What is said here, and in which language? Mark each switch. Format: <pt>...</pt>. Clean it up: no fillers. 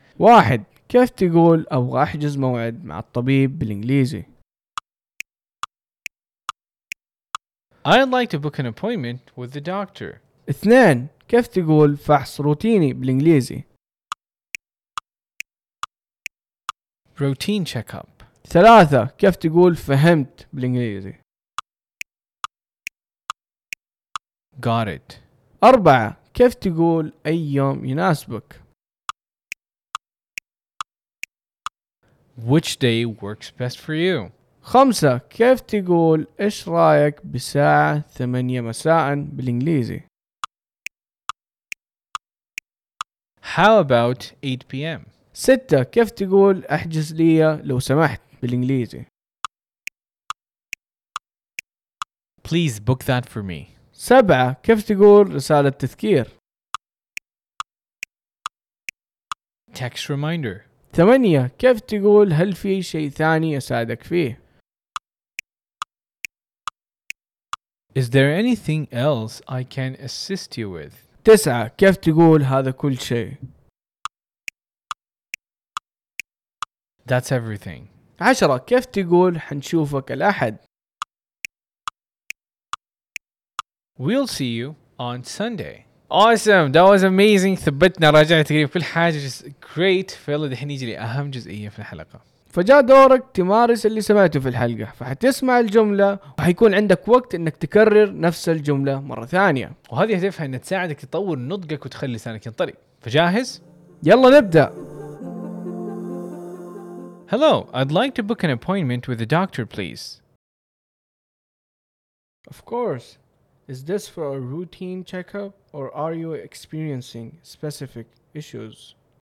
<ar>1 كيف تقول ابغى احجز موعد مع الطبيب بالانجليزي؟</ar> <en>I'd like to book an appointment with the doctor.</en> <ar>2 كيف تقول فحص روتيني بالانجليزي؟</ar> <en>Routine checkup.</en> <ar>3 كيف تقول فهمت بالانجليزي؟</ar> <en>Got it.</en> <ar>4 كيف تقول اي يوم يناسبك؟</ar> <en>Which day works best for you?</en> <ar>5 كيف تقول ايش رايك بساعة 8 مساء بالانجليزي؟</ar> <en>How about 8 p.m.?</en> <ar>6 كيف تقول احجز لي لو سمحت بالانجليزي؟</ar> <en>Please book that for me.</en> <ar>7 كيف تقول رسالة تذكير؟</ar> <en>Text reminder.</en> <ar>8 كيف تقول هل في شيء ثاني اساعدك فيه؟</ar> <en>Is there anything else I can assist you with?</en> <ar>9 كيف تقول هذا كل شيء؟</ar> <en>That's everything.</en> <ar>10 كيف تقول حنشوفك الأحد؟</ar> <en>We'll see you on Sunday. Awesome, that was amazing.</en> <ar>ثبتنا راجعنا تقريبا كل حاجة,</ar> <en>just great.</en> <ar>فيلا دحين يجي لي أهم جزئية في الحلقة. فجاء دورك تمارس اللي سمعته في الحلقة, فحتسمع الجملة وحيكون عندك وقت انك تكرر نفس الجملة مرة ثانية, وهذه هدفها ان تساعدك تطور نطقك وتخلي لسانك ينطلق. فجاهز؟ يلا نبدأ.</ar> <en>Hello, I'd like to book an appointment with the doctor, please. Of course. Is this for a routine checkup or are you experiencing specific issues?</en>